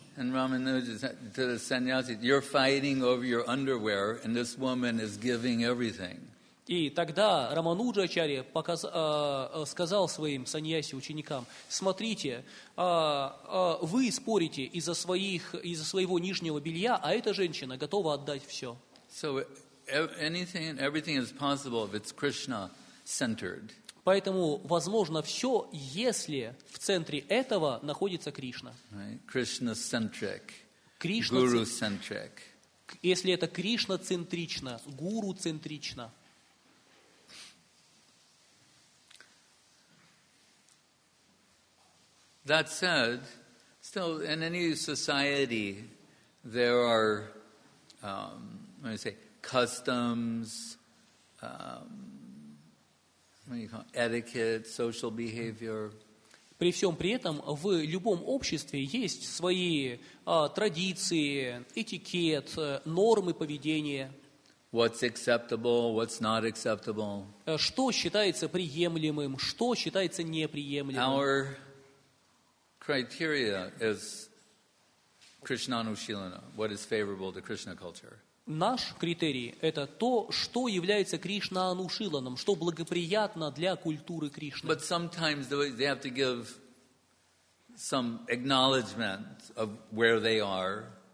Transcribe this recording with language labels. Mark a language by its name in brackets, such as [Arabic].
[English] And Ramanuja said to the sannyasi, "You're fighting over your underwear, and this woman is giving everything." [Russian] И тогда Рамануджа-ачарья сказал своим саньяси-ученикам, смотрите, вы спорите из-за своего нижнего белья, а эта женщина готова отдать все. [English] So, anything, everything is possible if it's Krishna-centered. [Russian] Поэтому возможно все, если в центре этого находится Кришна. [English] Right. Krishna-centric, guru-centric. [Russian] Если это Кришна-центрично, гуру-центрично. [English] That said, still in any society, there are, let me say, customs, what do you call it, etiquette, social behavior. [Russian] При всем при этом в любом обществе есть свои традиции, этикет, нормы поведения. [English] What's acceptable, what's not acceptable? [Russian] Что считается приемлемым, что считается неприемлемым? [English] Criteria is Krishna Anushilana, what is favorable to Krishna culture. [Russian] Наш критерий – это то, что является Кришна Анушиланом, что благоприятно для культуры Кришны. [English] But sometimes they have to give some acknowledgement of where they are.